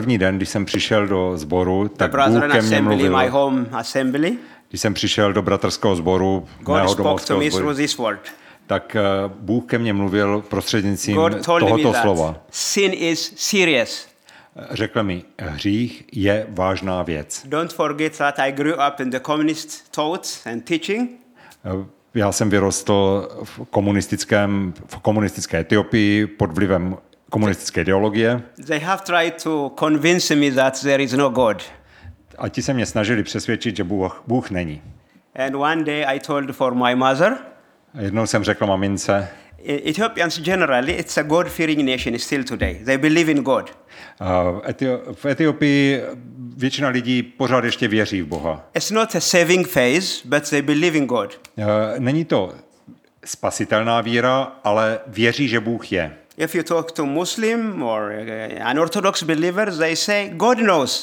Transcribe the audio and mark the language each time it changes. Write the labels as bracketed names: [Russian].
[Czech] Když jsem přišel do sboru, tak Bůh ke mně mluvil. [English] My home assembly. [Czech] Když jsem přišel do bratrského sboru, [English] God [Czech] mého sboru. [English] God spoke to me through this word. [Czech] Tak Bůh ke mně mluvil prostřednictvím tohoto slova. [English] Sin is serious. [Czech] Řekl mi, hřích je vážná věc. [English] Don't forget that I grew up in the communist thoughts and teaching. [Czech] Já jsem vyrostl v komunistické Etiopii pod vlivem komunistické ideologie. [English] They have tried to convince me that there is no God. [Czech] A ti se mě snažili přesvědčit, že Bůh není. [English] And one day I told for my mother. [Czech] Jednou jsem řekl mamince. [English] Ethiopians generally, it's a God-fearing nation still today. They believe in God. [Czech] V Etiopii většina lidí pořád ještě věří v Boha. [English] It's not a saving faith, but they believe in God. [Czech] Není to spasitelná víra, ale věří, že Bůh je. [English] If you talk to Muslim or an Orthodox believer, they say God knows.